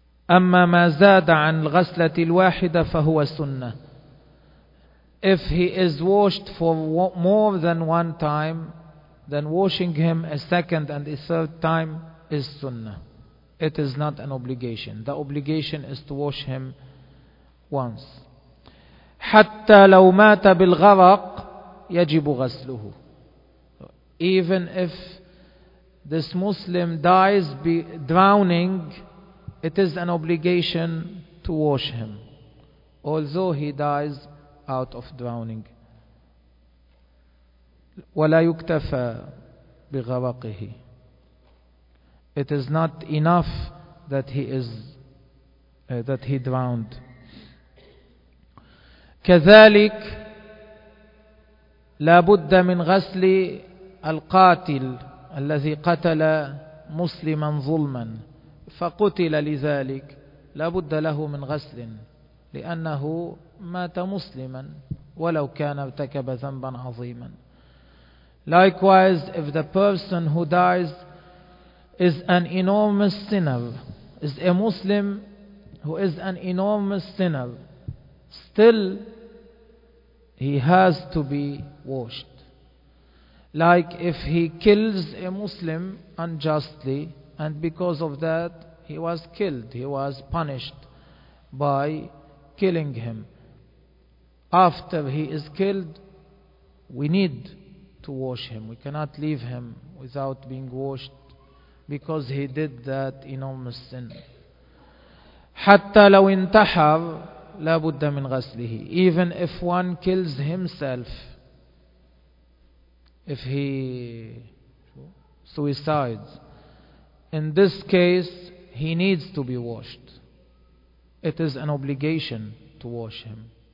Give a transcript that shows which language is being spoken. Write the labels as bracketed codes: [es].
[ar] أما ما زاد عن الغسلة الواحدة فهو سنة. [en] If he is washed for more than one time, then washing him a second and a third time is sunnah. It is not an obligation. The obligation is to wash him once. [ar] حتى لو مات بالغرق يجب غسله. [en] Even if this Muslim dies by drowning, it is an obligation to wash him, although he dies out of drowning. [ar] ولا يكتفى بغرقه. [en] It is not enough that he is that he drowned. [ar] كذلك لا بد من غسل القاتل الذي قتل مسلما ظلما فقتل لذلك لا بد له من غسل لأنه مات مسلما ولو كان ارتكب ذنبا عظيما. [en] Likewise, if the person who dies is an enormous sinner, is a Muslim who is an enormous sinner, still he has to be washed. Like if he kills a Muslim unjustly, and because of that he was killed, he was punished by killing him. After he is killed, we need to wash him. We cannot leave him without being washed because he did that enormous sin. [ar] حتى لو انتحر لا بد من غسله. [en] Even if one kills himself, if he suicides, in this case he needs to be washed. It is an obligation to wash him.